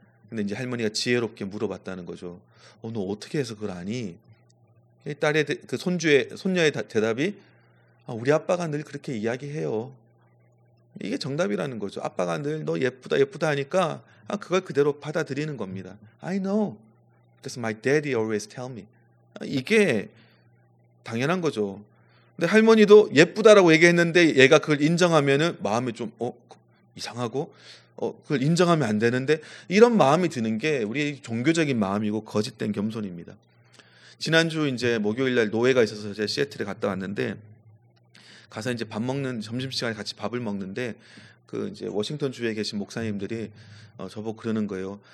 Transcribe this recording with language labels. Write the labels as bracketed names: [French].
[Korean] 근데 이제 할머니가 지혜롭게 물어봤다는 거죠. 너 어떻게 해서 그걸 아니? 딸의 그 손녀의 대답이 우리 아빠가 늘 그렇게 이야기해요. 이게 정답이라는 거죠. 아빠가 늘너 예쁘다 예쁘다 하니까 그걸 그대로 받아들이는 겁니다. [English] I know. That's my daddy always tell me. [Korean] 이게 당연한 거죠. 근데 할머니도 예쁘다라고 얘기했는데 얘가 그걸 인정하면은 마음이 좀 이상하고 그걸 인정하면 안 되는데, 이런 마음이 드는 게 우리의 종교적인 마음이고 거짓된 겸손입니다. 지난주 이제 목요일날 노회가 있어서 제가 시애틀에 갔다 왔는데, 가서 이제 밥 먹는 점심시간에 같이 밥을 먹는데, 그 이제 워싱턴 주에 계신 목사님들이 저보고 그러는 거예요.